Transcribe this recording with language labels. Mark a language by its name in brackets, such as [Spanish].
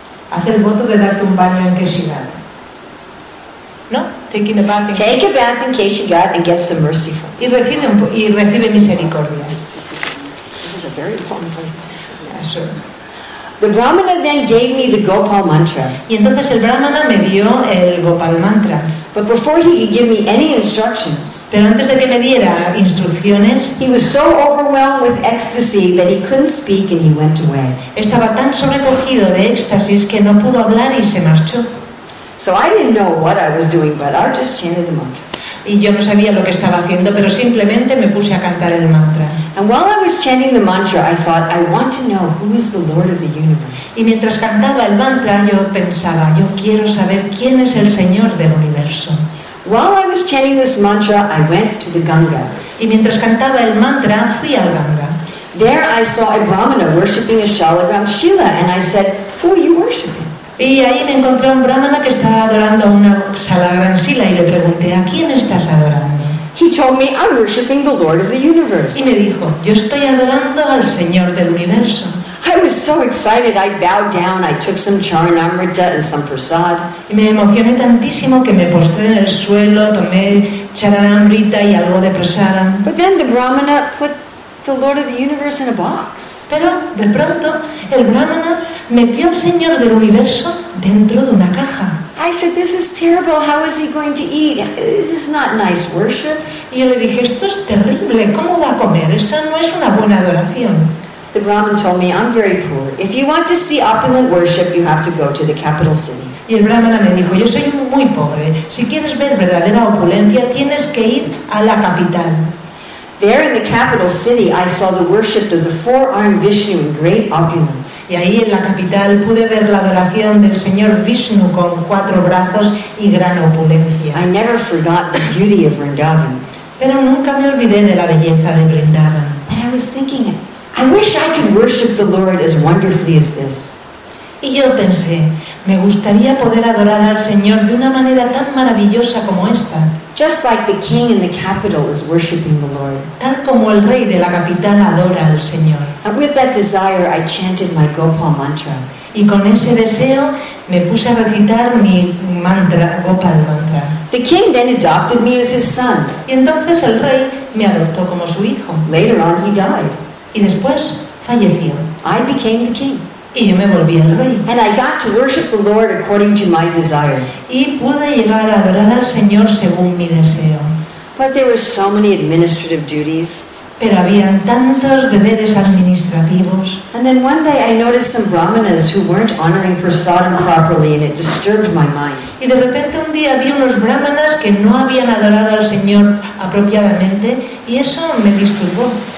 [Spanish] Haz el voto de darte un baño en Keshigat." ¿No? [English] Take a bath in Keshigat and get some mercy from me. [Spanish] Y recibe misericordia. [English] This is a very long presentation. Yeah, sure. The brahmana then gave me the Gopal mantra. [Spanish] Y entonces el brahmana me dio el Gopal mantra. [English] But before he could give me any instructions, [Spanish] pero antes de que me diera instrucciones, [English] he was so overwhelmed with ecstasy that he couldn't speak and he went away. [Spanish] Estaba tan sobrecogido de éxtasis que no pudo hablar y se marchó. [English] So I didn't know what I was doing, but I just chanted the mantra. [Spanish] Y yo no sabía lo que estaba haciendo, pero simplemente me puse a cantar el mantra. [English] And while I was chanting the mantra, I thought, "I want to know who is the Lord of the universe." [Spanish] Y mientras cantaba el mantra, yo pensaba, "Yo quiero saber quién es el Señor del universo." [English] While I was chanting this mantra, I went to the Ganga. [Spanish] Y mientras cantaba el mantra, fui al Ganga. [English] There I saw a brahmana worshipping a shalagram shila, and I said, "Who are you worshipping?" [Spanish] Y ahí me encontré un brahmana que estaba adorando una shalagram shila y le pregunté, "¿A quién estás adorando?" [English] He told me, "I'm worshipping the Lord of the Universe." [Spanish] Y me dijo, "Yo estoy adorando al Señor del Universo." [English] I was so excited. I bowed down. I took some charanamrita and some prasad. [Spanish] Y me emocioné tantísimo que me postré en el suelo, tomé charanamrita y algo de prasada. [English] But then the brahmana put the Lord of the Universe in a box. [Spanish] Pero de pronto el brahmana metió al Señor del Universo dentro de una caja. [English] I said, "This is terrible. How is he going to eat? This is not nice worship." [Spanish] Y yo le dije, "Esto es terrible. ¿Cómo va a comer? Esa no es una buena adoración." [English] The Brahmin told me, "I'm very poor. If you want to see opulent worship, you have to go to the capital city." [Spanish] Y el Brahmana me dijo, "Yo soy muy pobre. Si quieres ver verdadera opulencia, tienes que ir a la capital." [English] There in the capital city, I saw the worship of the four-armed Vishnu in great opulence. [Spanish] Y ahí en la capital pude ver la adoración del señor Vishnu con cuatro brazos y gran opulencia. [English] I never forgot the beauty of Vrindavan. [Spanish] Pero nunca me olvidé de la belleza de Vrindavan. [English] And I was thinking, "I wish I could worship the Lord as wonderfully as this." [Spanish] Y yo pensé, me gustaría poder adorar al Señor de una manera tan maravillosa como esta. [English] Just like the king in the capital is worshiping the Lord. [Spanish] Tal como el rey de la capital adora al Señor. [English] And with that desire, I chanted my Gopal mantra. [Spanish] Y con ese deseo, me puse a recitar mi mantra, Gopal mantra. [English] The king then adopted me as his son. [Spanish] Y entonces el rey me adoptó como su hijo. [English] Later on, he died. [Spanish] Y después falleció. [English] I became the king. [Spanish] Y yo me volví el rey. [English] And I got to worship the Lord according to my desire. [Spanish] Y pude llegar a adorar al Señor según mi deseo. [English] But there were so many administrative duties. [Spanish] Pero habían tantos deberes administrativos. [English] And then one day I noticed some brahmanas who weren't honoring prasadam properly, and it disturbed my mind. [Spanish] Y de repente un día vi unos brahmanas que no habían adorado al Señor apropiadamente, y eso me disturbó.